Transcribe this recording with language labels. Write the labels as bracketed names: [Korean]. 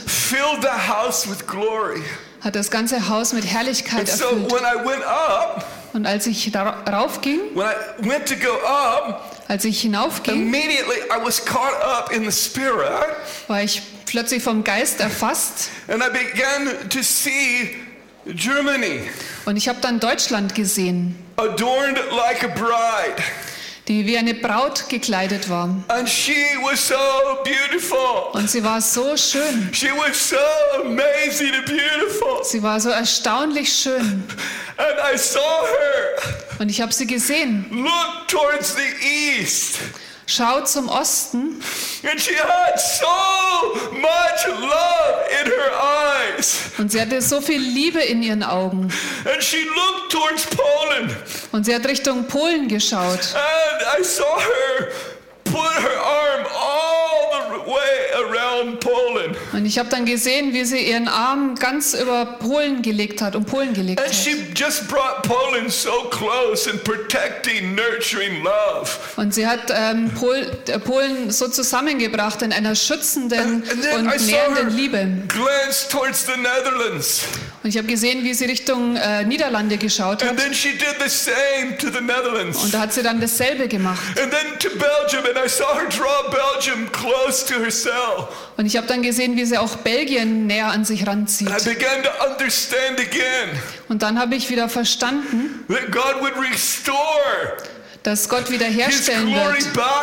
[English] Filled the house with glory. [German] Hat das ganze Haus mit Herrlichkeit erfüllt. [English] And so when I went up, [German] und als ich darauf ging, [English] when I went to go up, [German] als ich hinaufging, [English] immediately I was caught up in the spirit, [German] war ich plötzlich vom Geist erfasst. [English] And I began to see Germany. [German] Und ich habe dann Deutschland gesehen. [English] Adorned like a bride. [German] Die wie eine Braut gekleidet war. [English] And she was so beautiful. [German] Und sie war so schön. [English] She was so amazing and beautiful. [German] Sie war so erstaunlich schön. [English] And I saw her. [German] Und ich habe sie gesehen. [English] Look towards the east. [German] Schau zum Osten. [English] And she had so much love in her eyes. [German] Und sie hatte so viel Liebe in ihren Augen. [English] And she looked towards Poland. [German] Und sie hat Richtung Polen geschaut. [English] And I saw her put her arm all the way around Poland. [German] Und ich habe dann gesehen, wie sie ihren Arm ganz über Polen gelegt hat, um Polen gelegt [English] and [German] hat. [English] And she just brought Poland so close in protecting, nurturing love. [German] Und sie hat Polen so zusammengebracht in einer schützenden und nährenden Liebe. [English] Glance towards the Netherlands. [German] Und ich habe gesehen, wie sie Richtung Niederlande geschaut hat. [English] And then she did the same to the Netherlands. [German] Und da hat sie dann dasselbe gemacht. [English] And then to Belgium, and I saw her draw Belgium close to herself. [German] Und ich habe dann gesehen, wie sie auch Belgien näher an sich ranzieht. [English] And I began to understand again. [German] Und dann habe ich wieder verstanden, [English] that God would restore. [German] Dass Gott wiederherstellen wird.